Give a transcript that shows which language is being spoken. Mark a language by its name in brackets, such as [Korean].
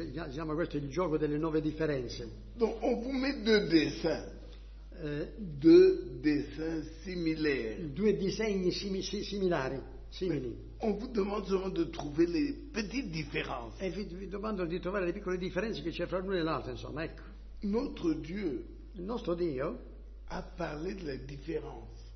[Italian] Chiamo questo il gioco delle 9 differenze. [French] Donc, on vous met deux dessins. Deux dessins similaires. [Italian] Due disegni similari. Simili. [French] On vous demande seulement de trouver les petites différences. [Italian] Et vi domando di trovare le piccole differenze che c'è fra l'uno e l'altro, insomma, ecco. [French] Notre Dieu, [Italian] il nostro Dio, [French] a parlé de la différence.